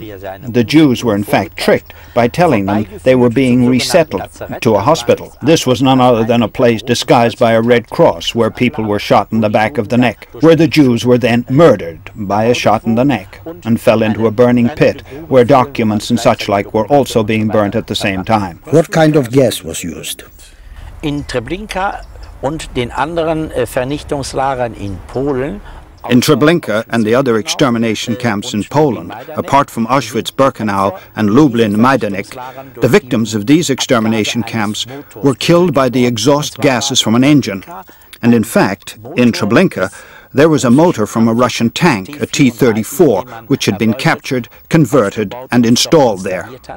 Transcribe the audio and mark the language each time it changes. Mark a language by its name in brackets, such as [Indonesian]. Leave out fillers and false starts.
[English] The Jews were in fact tricked by telling them they were being resettled to a hospital. This was none other than a place disguised by a Red Cross where people were shot in the back of the neck, where the Jews were then murdered by a shot in the neck and fell into a burning pit where documents and such like were also being burnt at the same time. What kind of gas was used? [German] In Treblinka und den anderen Vernichtungslagern in Polen. [English] In Treblinka and the other extermination camps in Poland, apart from Auschwitz-Birkenau and Lublin-Majdanek, the victims of these extermination camps were killed by the exhaust gases from an engine. And in fact, in Treblinka, there was a motor from a Russian tank, a T-34, which had been captured, converted and installed there.